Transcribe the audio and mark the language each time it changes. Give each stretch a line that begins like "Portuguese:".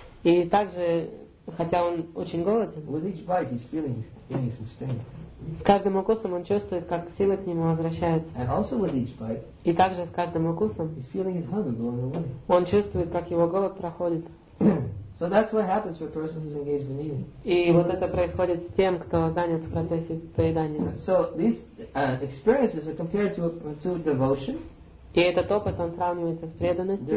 Russian: И также хотя он очень голоден.
English: With each bite, he's feeling his gaining some strength.
Russian: С каждым укусом он чувствует, как силы к нему возвращаются.
English: And also with each bite.
Russian: И также с каждым укусом.
English: He's feeling his hunger going away.
Russian: Он чувствует, как его голод проходит.
English: So that's what happens for a person who's engaged in eating.
Russian: И вот это происходит с тем, кто занят в процессе поедания.
English: So these experiences are compared to devotion.
Russian: И этот опыт он сравнивается с преданностью.